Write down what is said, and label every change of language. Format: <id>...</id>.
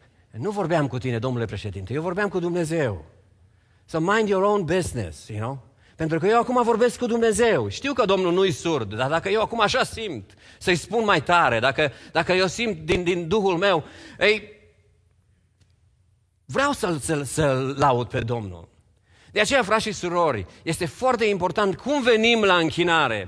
<ro>Nu vorbeam cu tine, domnule președinte, eu vorbeam cu Dumnezeu.</ro> <en>So mind your own business, you know?</en> <ro>Pentru că eu acum vorbesc cu Dumnezeu. Știu că Domnul nu-i surd, dar dacă eu acum așa simt să-i spun mai tare, dacă eu simt din Duhul meu, ei, vreau să-L laud pe Domnul. De aceea, frați și surori, este foarte important cum venim la închinare.</ro>